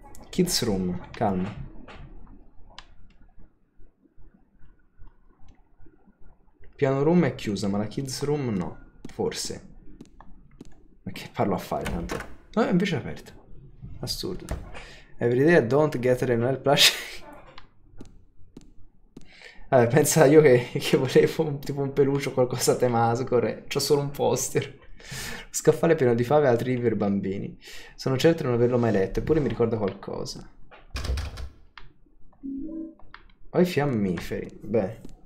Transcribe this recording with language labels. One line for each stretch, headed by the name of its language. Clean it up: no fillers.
Italian: Kids room, calma. Piano room è chiusa, ma la kids room no, forse. Ma che parlo a fare tanto? No, è invece aperta. Assurdo.
English: Every day I don't get a Noel plush.
Italian: Vabbè, pensa io che volevo tipo un peluccio o qualcosa a tema Asgore. C'ho solo un poster. Scaffale pieno di fave e altri libri per bambini. Sono certo di non averlo mai letto, eppure mi ricorda qualcosa. Ho i fiammiferi. Beh.